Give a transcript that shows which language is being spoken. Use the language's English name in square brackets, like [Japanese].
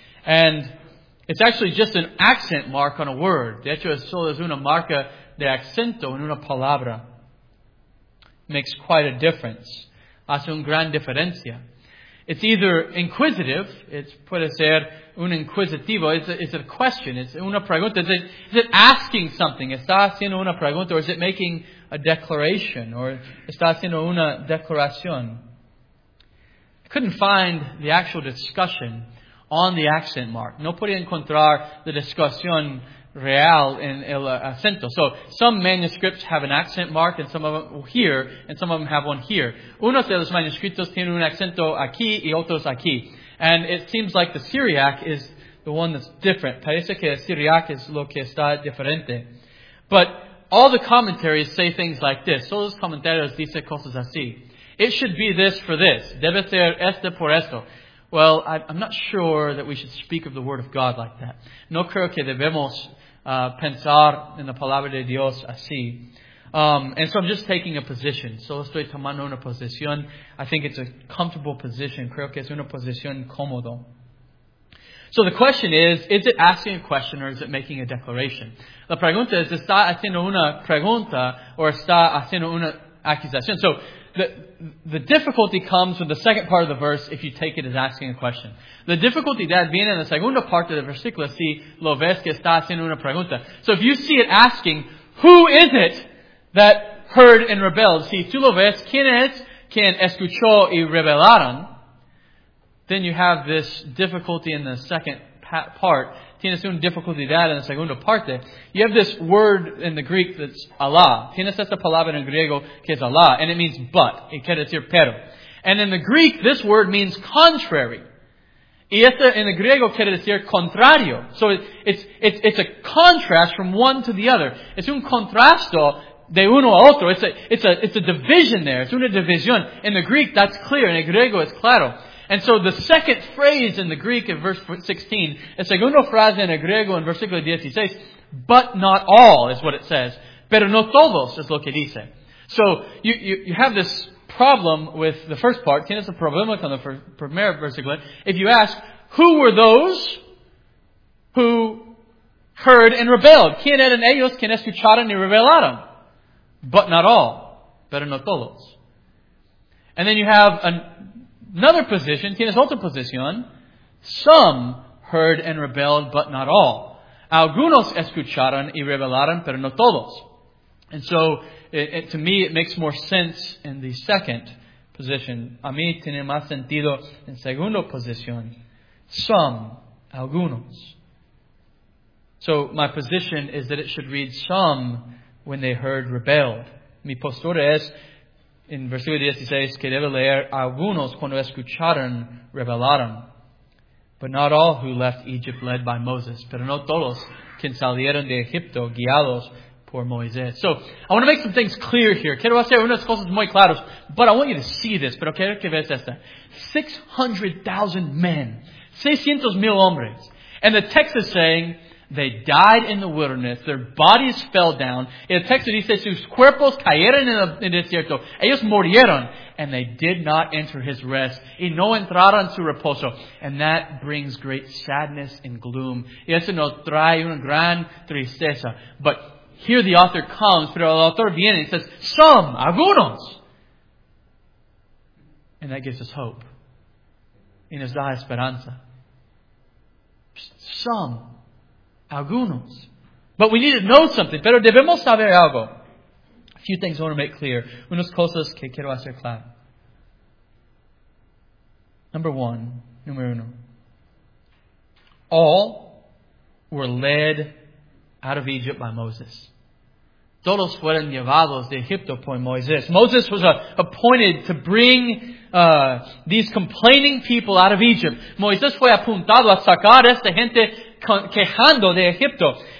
[English] And it's actually just an accent mark on a word. [Spanish] De hecho, solo es una marca de acento en una palabra. [English] Makes quite a difference. [Spanish] Hace una gran diferencia. [English] It's either inquisitive. [Spanish] Puede ser un inquisitivo. [English] It's a question. It's [Spanish] una pregunta. [English] Is it asking something? [Spanish] Está haciendo una pregunta. [English] Or is it making a declaration? [Spanish] Or está haciendo una declaración? [English] I couldn't find the actual discussion on the accent mark. [Spanish] No podía encontrar la discusión real en el acento. [English] So, some manuscripts have an accent mark and some of them here, and some of them have one here. [Spanish] Unos de los manuscritos tienen un acento aquí y otros aquí. [English] And it seems like the Syriac is the one that's different. [Spanish] Parece que Siriac es lo que está diferente. [English] But all the commentaries say things like this. [Spanish] Todos los comentarios dicen cosas así. [English] It should be this for this. [Spanish] Debe ser este por esto. [English] Well, I'm not sure that we should speak of the Word of God like that. [Spanish] No creo que debemos pensar en la Palabra de Dios así. [English] And so I'm just taking a position. [Spanish] Solo estoy tomando una posición. [English] I think it's a comfortable position. [Spanish] Creo que es una posición cómodo. [English] So the question is it asking a question or is it making a declaration? [Spanish] La pregunta es, ¿está haciendo una pregunta o está haciendo una acusación? [English] So the difficulty comes with the second part of the verse if you take it as asking a question. The difficulty that [Spanish] viene en la segunda parte del versículo si lo ves que está haciendo una pregunta. [English] So if you see it asking, who is it that heard and rebelled? [Spanish] Si tú lo ves, ¿quién es quien escuchó y rebelaron? [English] Then you have this difficulty in the second part. [Spanish] Tienes una dificultad en la segunda parte. [English] You have this word in the Greek that's Allah. [Spanish] Tienes esta palabra en el griego que es Allah. [English] And it means but. [Spanish] Y quiere decir pero. [English] And in the Greek, this word means contrary. [Spanish] Y esta en el griego quiere decir contrario. [English] So it's a contrast from one to the other. [Spanish] Es un contrasto de uno a otro. [English] It's a division there. It's [Spanish] una división. [English] In the Greek, that's clear. In [Spanish] el griego, es claro. [English] And so the second phrase in the Greek in verse 16, [Spanish] la segunda frase en el griego en versículo 16, [English] but not all is what it says. [Spanish] Pero no todos es lo que dice. [English] So you have this problem with the first part. [Spanish] Tienes un problema con la primera versículo. [English] If you ask, who were those who heard and rebelled? [Spanish] ¿Quién eran ellos quienes escucharon y rebelaron? [English] But not all. [Spanish] Pero no todos. [English] And then you have another position, [Spanish] tienes otra posición. [English] Some heard and rebelled, but not all. [Spanish] Algunos escucharon y rebelaron, pero no todos. [English] And so, to me, it makes more sense in the second position. [Spanish] A mí tiene más sentido en segunda posición. [English] Some, [Spanish] algunos. [English] So, my position is that it should read some when they heard rebelled. [Spanish] Mi postura es, en versículo 16, que debe leer, algunos cuando escucharon, rebelaron. [English] But not all who left Egypt led by Moses. [Spanish] Pero no todos quien salieron de Egipto guiados por Moisés. [English] So, I want to make some things clear here. [Spanish] Quiero hacer unas cosas muy claras. [English] But I want you to see this. [Spanish] Pero quiero que veas esta. [English] 600,000 men. [Spanish] 600,000 hombres. [English] And the text is saying, they died in the wilderness. Their bodies fell down. [Spanish] El texto dice, sus cuerpos cayeron en el desierto. Ellos murieron. [English] And they did not enter his rest. [Spanish] Y no entraron su reposo. [English] And that brings great sadness and gloom. [Spanish] Y eso nos trae una gran tristeza. [English] But here the author comes. [Spanish] Pero el autor viene [English] and says, some, [Spanish] algunos. [English] And that gives us hope. [Spanish] Y nos da esperanza. [English] Some. [Spanish] Algunos. [English] But we need to know something. [Spanish] Pero debemos saber algo. [English] A few things I want to make clear. [Spanish] Unas cosas que quiero hacer claro. [English] Number one. All were led out of Egypt by Moses. [Spanish] Todos fueron llevados de Egipto por Moisés. [English] Moses was appointed to bring these complaining people out of Egypt. [Spanish] Moisés fue apuntado a sacar a esta gente quejando de Egipto.